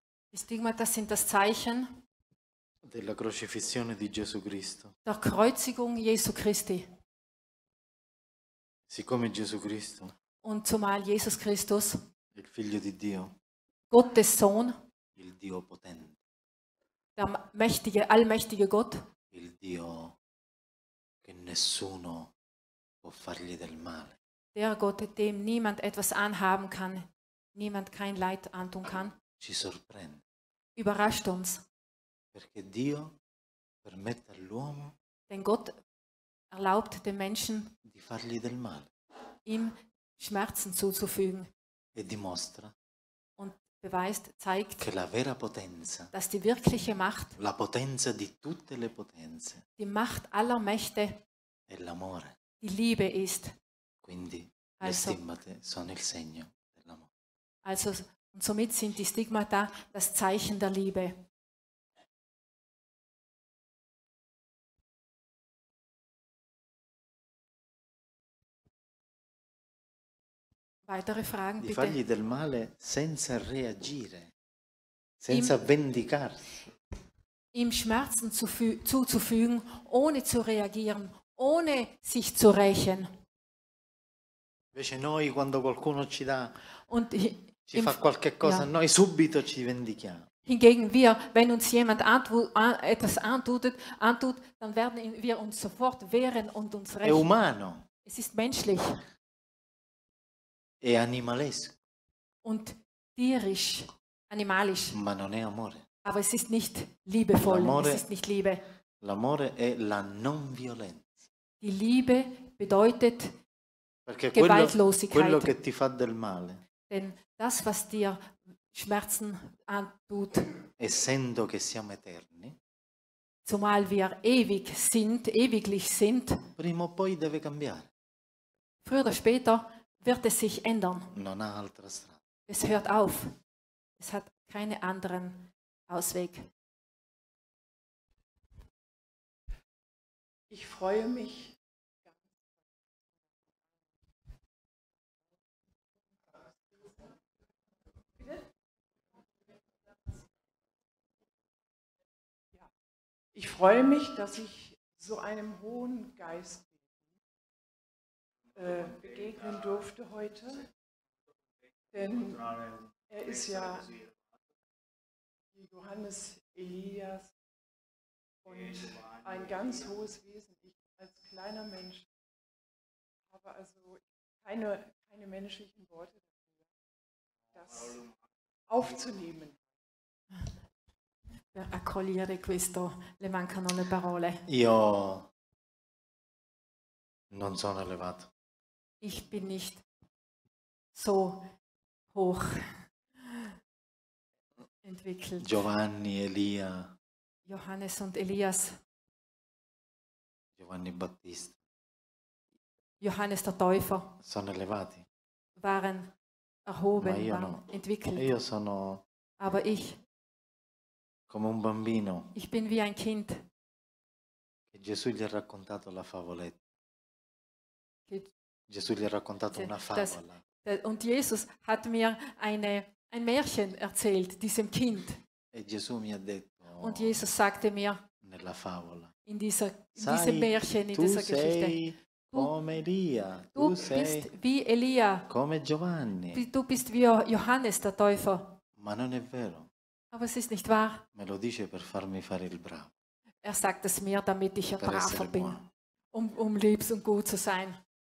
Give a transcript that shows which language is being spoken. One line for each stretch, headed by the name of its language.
German: Die Stigmata sind das Zeichen
Italian: della crocifissione di Gesù Cristo.
German: Der Kreuzigung Jesu Christi.
Italian: Siccome Gesù Cristo.
German: Und zumal Jesus Christus.
Italian: Il figlio di Dio.
German: Gottes Sohn.
Italian: Il Dio potente.
German: Der mächtige, allmächtige Gott.
Italian: Il Dio che nessuno può fargli del male.
German: Der Gott, dem niemand etwas anhaben kann, niemand kein Leid antun kann.
Italian: Ci sorprende.
German: Überrascht uns.
Italian: Perché Dio permette all'uomo.
German: Denn Gott erlaubt dem Menschen.
Italian: Di fargli del male.
German: Ihm Schmerzen zuzufügen.
Italian: E dimostra.
German: Und beweist, zeigt.
Italian: Che la vera potenza.
German: Dass die wirkliche Macht.
Italian: La potenza di tutte le potenze.
German: Die Macht aller Mächte.
Italian: È l'amore.
German: Die Liebe ist.
Italian: Quindi also, le stigmate sono il segno dell'amore.
German: Also und somit sind die Stigmata das Zeichen der Liebe. Weitere Fragen bitte.
Italian: Di fargli del male senza reagire, senza vendicarsi.
German: Ihm Schmerzen zuzufügen, ohne zu reagieren, ohne sich zu rächen.
Italian: Invece noi quando qualcuno ci dà.
German: Und
Italian: ci fa qualche cosa, ja. Noi subito ci vendichiamo.
German: Hingegen wir, wenn uns jemand etwas antut, dann werden wir uns sofort wehren und uns rächen.
Italian: È umano.
German: Es ist menschlich.
Italian: È animalesco.
German: Und tierisch, animalisch.
Italian: Ma non è amore.
German: Aber es ist nicht liebevoll,
Italian: l'amore,
German: es ist nicht Liebe.
Italian: L'amore è la non violenza.
German: Die Liebe bedeutet
Italian: perché
German: Gewaltlosigkeit.
Italian: Quello che ti fa del male.
German: Denn das, was dir Schmerzen antut,
Italian: essendo che siamo eterni,
German: zumal wir ewig sind, ewiglich sind,
Italian: prima o poi deve cambiare.
German: Früher oder später wird es sich ändern.
Italian: Non ha altra strada.
German: Es hört auf. Es hat keinen anderen Ausweg. Ich freue mich. Ich freue mich, dass ich so einem hohen Geist begegnen durfte heute, denn er ist ja Johannes Elias und ein ganz hohes Wesen. Ich als kleiner Mensch habe also keine menschlichen Worte dafür, das aufzunehmen.
Italian: Per accogliere questo, le mancano le parole. Io non sono elevato.
German: Ich bin nicht so hoch entwickelt.
Italian: Giovanni, Elia.
German: Johannes und Elias.
Italian: Giovanni Battista.
German: Johannes der Täufer.
Italian: Sono elevati.
German: Waren erhoben, waren no. Entwickelt.
Italian: Io sono.
German: Aber ich.
Italian: Come un bambino.
German: Ich bin wie ein Kind.
Italian: Che Gesù gli ha raccontato la favoletta. Gesù gli ha raccontato una favola.
German: Und Jesus hat mir ein Märchen erzählt, diesem Kind.
Italian: E Gesù mi ha detto.
German: Und Jesus sagte mir.
Italian: Nella favola.
German: In diesem Märchen, in dieser Geschichte.
Italian: Sei come Elia.
German: Tu bist wie Elia.
Italian: Come Giovanni.
German: Tu bist wie Johannes der Täufer.
Italian: Ma non è vero.
German: Aber es ist nicht wahr.
Italian: Me lo dice per farmi fare il bravo.
German: Er sagt es mir, damit ich ein Braver bin, um lieb und gut zu sein.